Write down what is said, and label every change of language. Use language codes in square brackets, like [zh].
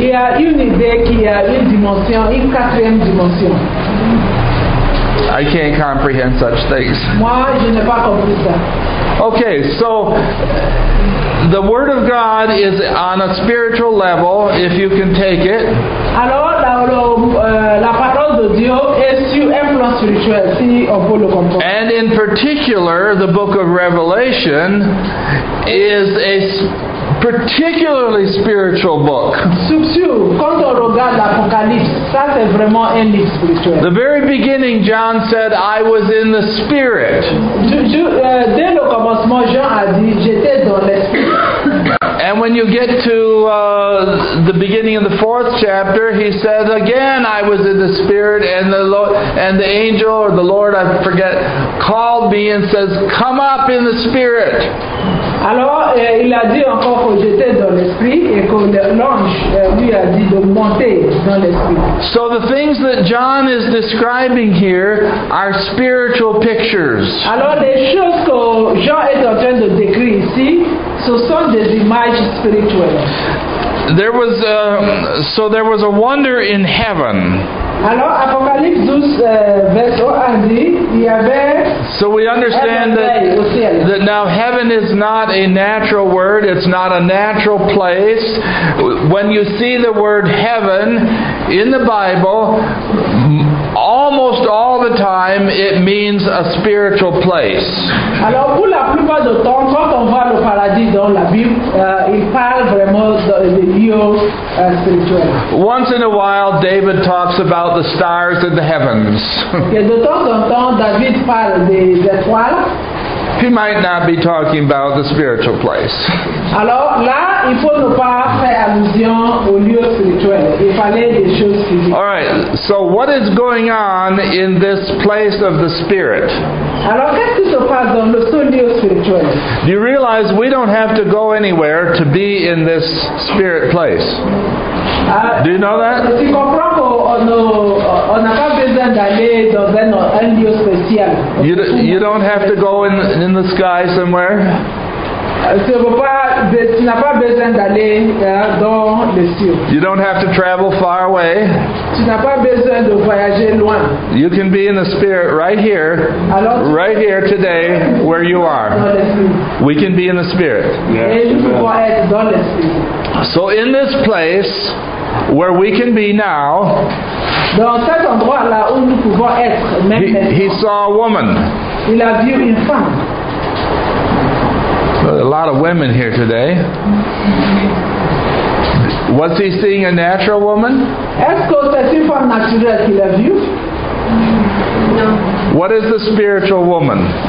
[fr] Il a une idée qu'il y a une dimension, une quatrième dimension. [en] I can't comprehend such things. [fr] Moi, je n'ai pas compris ça. [en] Okay, so the Word of God is on a spiritual level, if you can take it. [fr] Alors, la parole de Dieu est sur un plan spirituel, si on peut le comprendre. [en] And in particular, the book of Revelation is a particularly spiritual book. [fr] Quand on regarde l'Apocalypse, ça c'est vraiment un livre spirituel. [en] The very beginning, John said, I was in the Spirit. [fr] Dès le commencement, Jean a dit, j'étais dans l'Esprit. [en] And when you get to the beginning of the fourth chapter, he says again, I was in the Spirit, and the Lord, and the angel or the Lord, I forget, called me and says, come up in the Spirit. [fr] Alors, il a dit encore que j'étais dans l'esprit et que l'ange lui a dit de monter dans l'esprit. [en] So the things that John is describing here are spiritual pictures. [fr] Alors, les choses que Jean est en train de décrire ici, ce sont des images spirituelles. [en] There was a wonder in heaven. [fr] Alors, Apocalypse 12, verse 1, dit, il y avait. [en] So we understand that now heaven is not a natural word, it's not a natural place. When you see the word heaven in the Bible, almost all the time it means a spiritual place. [fr] Alors, pour la plupart du temps, quand on voit le paradis dans la Bible, il parle vraiment de lieu spirituel. [en] Once in a while, David talks about the stars in the heavens. [fr] De temps en temps, David parle des étoiles. [en] He might not be talking about the spiritual place. [fr] Alors, là, il faut ne pas faire allusion au lieu spirituel. Il fallait des choses physiques. [en] All right, so what is going on in this place of the Spirit? [fr] Alors, qu'est-ce qui se passe dans le seul lieu spirituel? [en] Do you realize we don't have to go anywhere to be in this spirit place? Do you know that? [fr] Tu comprends qu'on n'a pas besoin d'aller dans un lieu spécial. [en] You don't have to go in the sky somewhere? [fr] Tu n'as pas besoin d'aller dans les cieux. [en] You don't have to travel far away. [fr] Tu n'as pas besoin de voyager loin. [en] You can be in the Spirit right here. [fr] Alors, [en] right here today where you are. We can be in the Spirit. Yes. [fr] Et nous pouvons être dans l'Esprit. [en] So in this place where we can be now, [fr] dans cet endroit là où nous pouvons être, [en] he saw a woman. [fr] Il a vu une femme. [en] A lot of women here today. Was he seeing a natural woman? [fr] Est-ce que c'est une femme naturelle qu'il a vue? [en] No. What is the spiritual woman?